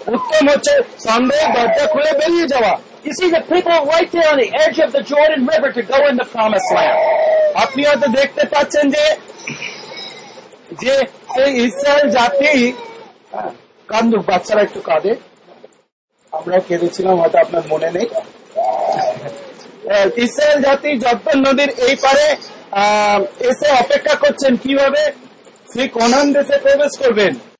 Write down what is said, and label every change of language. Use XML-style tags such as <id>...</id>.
<bn>উত্তম হচ্ছে সন্দেহ দরজা খুলে বেরিয়ে যাওয়া।</bn> <en>You see, the people right there on the edge of the Jordan River to go in the promised land.</en> <bn>আপনি হয়তো দেখতে পাচ্ছেন যে সেই ইসরায়েল জাতি কান্দুক, বাচ্চারা একটু কাঁদে, আমরা কেঁদেছিলাম হয়তো আপনার মনে নেই। ইসরায়েল জাতি জর্দন নদীর এই পারে এসে অপেক্ষা করছেন কিভাবে সেই কনান দেশে প্রবেশ করবেন।</bn>